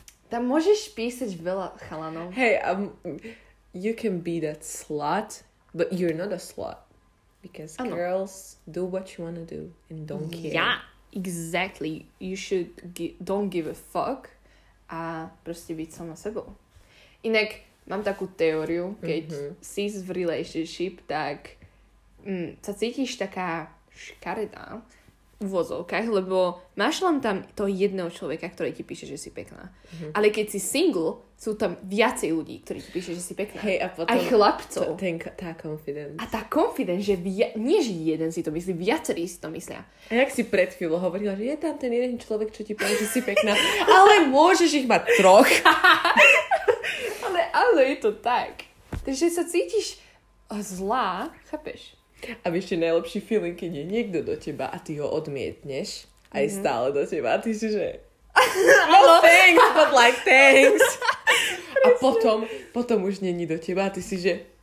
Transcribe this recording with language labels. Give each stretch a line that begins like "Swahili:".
Slovak: tam môžeš písať veľa chalanov.
English: Hey, you can be that slut, but you're not a slut. Because
Slovak: ano.
English: Girls do what you want to do and don't care. Yeah, exactly. You should don't give a fuck
Slovak: a proste byť sama sebou. Inak mám takú teóriu, keď si v relationship, tak sa cítiš taká škaredá v vozovkách, lebo máš len tam toho jedného človeka, ktorý ti píše, že si pekná. Mm-hmm. Ale keď si single, sú tam viacej ľudí, ktorí ti píše, že si pekná. Hey, a potom... Aj chlapcov. Tá confidence. A tá confidence, že nie že jeden si to myslí, viacerí si to myslia. A jak si pred chvíľou hovorila, že je tam ten jeden človek, čo ti píše, že si pekná. Ale môžeš ich mať troch. Ale áno, je to tak. Takže sa cítiš zlá, chápeš? A vieš, je najlepší feeling, keď je niekto do teba a ty ho odmietneš aj stále do teba. A ty si, že...
English: No thanks, but like thanks.
Slovak: A potom už není do teba a ty si, že...